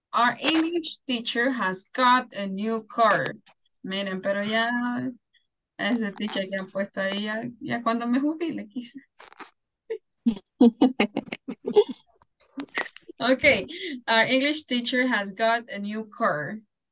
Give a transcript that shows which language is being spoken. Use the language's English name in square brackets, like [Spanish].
[English] Our English teacher has got a new car. [Spanish] Miren, pero ya ese teacher que han puesto ahí, ya cuando me jubile, quizás. [English] Okay, our English teacher has got a new car.